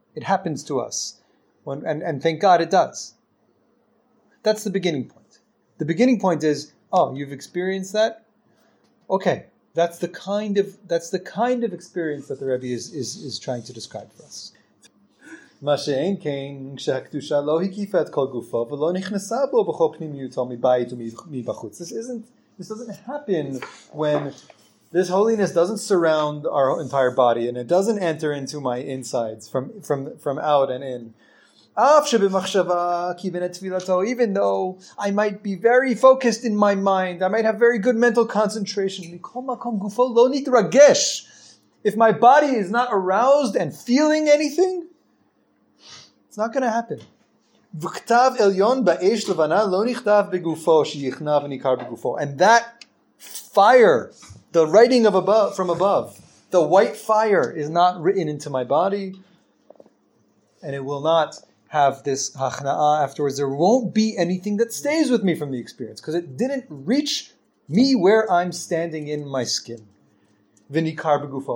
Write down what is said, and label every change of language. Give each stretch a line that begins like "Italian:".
English: It happens to us, and thank God it does. That's the beginning point. The beginning point is, oh, you've experienced that. Okay, that's the kind of experience that the Rebbe is trying to describe for us.
Hebrew: מה שאין כן, כשהקדושה לא הקיפה את כל גופו, ולא נכנסה בו בכל פנימיותו מבית ומבחוץ.
English: This doesn't happen when this holiness doesn't surround our entire body and it doesn't enter into my insides from out and in.
Hebrew: אף שבמחשבה כיוון את תפילתו,
English: even though I might be very focused in my mind, I might have very good mental concentration,
Hebrew: מכל מקום גופו לא נתרגש.
English: If my body is not aroused and feeling anything, it's not going to happen.
Hebrew: וכתב עליון באש לבנה לא נכתב בגופו שיכנה וניכר בגופו.
English: And that fire, the writing of above, from above, the white fire is not written into my body, and it will not have this hachna'a afterwards. There won't be anything that stays with me from the experience because it didn't reach me where I'm standing in my skin.
Hebrew: V'nikar b'gufo.